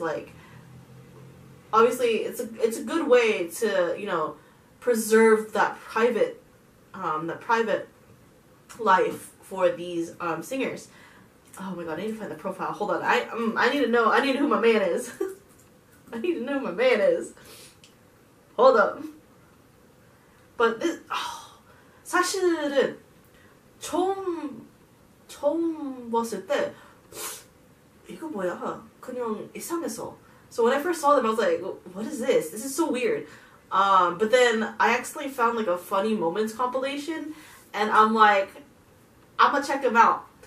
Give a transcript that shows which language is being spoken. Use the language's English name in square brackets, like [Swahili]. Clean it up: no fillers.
[English] Like, obviously, it's a good way to, you know, preserve that private life for these singers. Oh my god, I need to find the profile. Hold on. I need to know who my man is. I need to know who my man is. Hold up. But this... [Korean] Oh, 사실은 처음 봤을 때 이거 뭐야? 그냥 이상해서. [English] So when I first saw them, I was like, what is this? This is so weird. But then I actually found like a funny moments compilation and I'm like, I'm gonna check them out.